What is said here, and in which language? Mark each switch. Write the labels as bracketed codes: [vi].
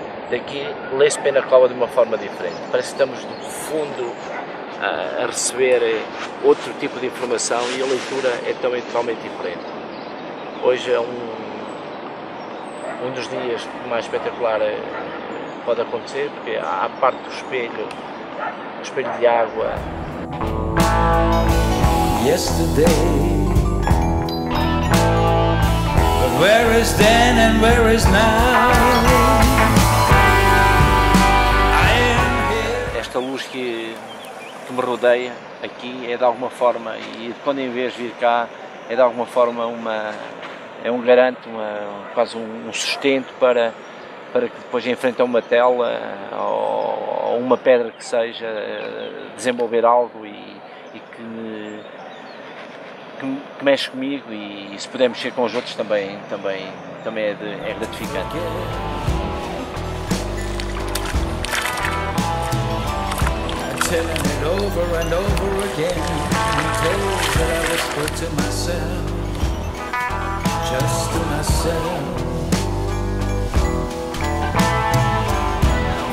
[pt] Daqui lê-se Penacova de uma forma diferente. Parece que estamos do fundo a receber outro tipo de informação e a leitura é também totalmente diferente. Hoje é um dos dias mais espetacular pode acontecer, porque há a parte do espelho, o espelho de água. [en] Yesterday. But where is then and where is now? [pt] Esta luz que me rodeia aqui é de alguma forma, e quando em vez de vir cá, é de alguma forma uma, é um garante, uma, quase um sustento para que depois enfrente a uma tela ou uma pedra que seja, desenvolver algo e que, me, que mexe comigo, e se puder mexer com os outros também é gratificante. [en] Telling it over and over again, in tales that I whisper to myself, just to myself.